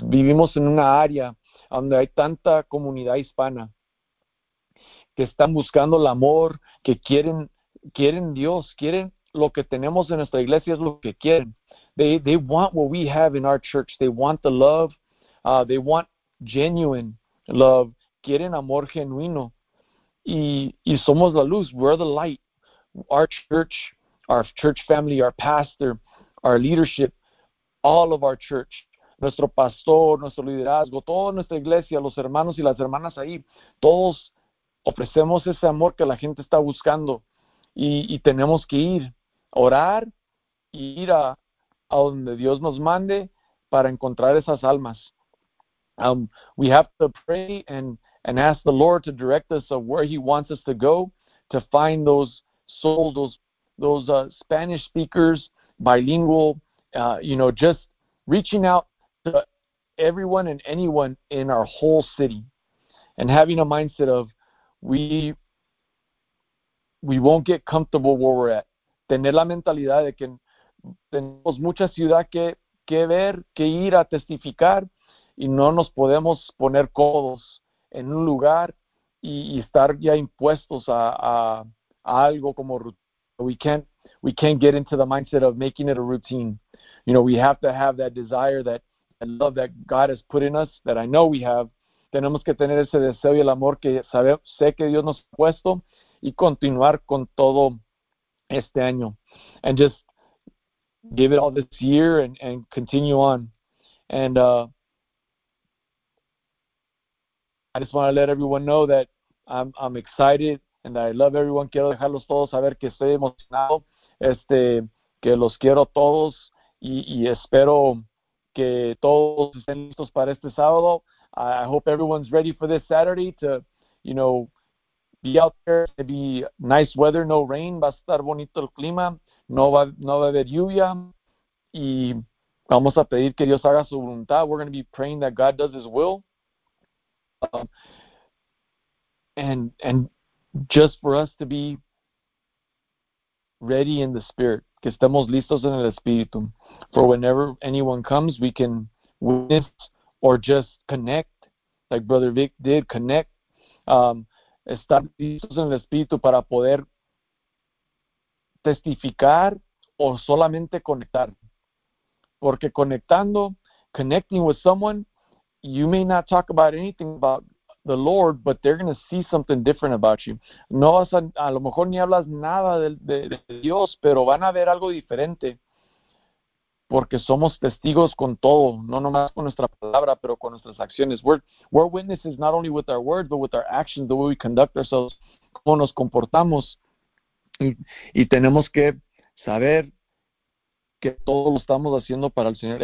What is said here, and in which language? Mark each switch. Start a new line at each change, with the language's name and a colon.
Spanish: Vivimos en una área donde hay tanta comunidad hispana que están buscando el amor, que quieren Dios, quieren lo que tenemos en nuestra iglesia, es lo que quieren.
English: They want what we have in our church. They want the love. They want genuine love.
Spanish: Quieren amor genuino, y somos la luz.
English: We're the light. Our church family, our pastor, our leadership, all of our church,
Spanish: nuestro pastor, nuestro liderazgo, toda nuestra iglesia, los hermanos y las hermanas ahí, todos ofrecemos ese amor que la gente está buscando, y tenemos que ir, orar, y ir a donde Dios nos mande para encontrar esas almas.
English: We have to pray and ask the Lord to direct us of where He wants us to go to find those souls, those Spanish speakers, bilingual, just reaching out to everyone and anyone in our whole city, and having a mindset of we won't get comfortable where we're at.
Spanish: Tener la mentalidad de que tenemos mucha ciudad que ver, que ir a testificar, y no nos podemos poner cómodos en un lugar y estar ya impuestos a algo como rutina.
English: We can't get into the mindset of making it a routine. You know, we have to have that desire, that love that God has put in us, that I know we have.
Spanish: Tenemos que tener ese deseo y el amor que sé que Dios nos ha puesto, y continuar con todo este año.
English: And just give it all this year and continue on. And I just want to let everyone know that I'm excited and that I love everyone.
Spanish: Quiero dejarlos todos saber que estoy emocionado, que los quiero todos, y espero que todos estén listos para este sábado.
English: I hope everyone's ready for this Saturday to, be out there. It'll be nice weather, no rain.
Spanish: Va a estar bonito el clima. No va a haber lluvia. Y vamos a pedir que Dios haga su voluntad.
English: We're going to be praying that God does His will. And just for us to be ready in the Spirit.
Spanish: Que estemos listos en el Espíritu.
English: For whenever anyone comes, we can witness or just connect. Like Brother Vic did, connect,
Spanish: estar listos en el Espíritu para poder testificar o solamente conectar. Porque
English: connecting with someone, you may not talk about anything about the Lord, but they're going to see something different about you.
Spanish: No vas a lo mejor ni hablas nada de Dios, pero van a ver algo diferente. Porque somos testigos con todo, no nomás con nuestra palabra, pero con nuestras acciones.
English: We're witnesses not only with our words, but with our actions, the way we conduct ourselves,
Spanish: cómo nos comportamos. Y tenemos que saber que todo lo estamos haciendo para el Señor.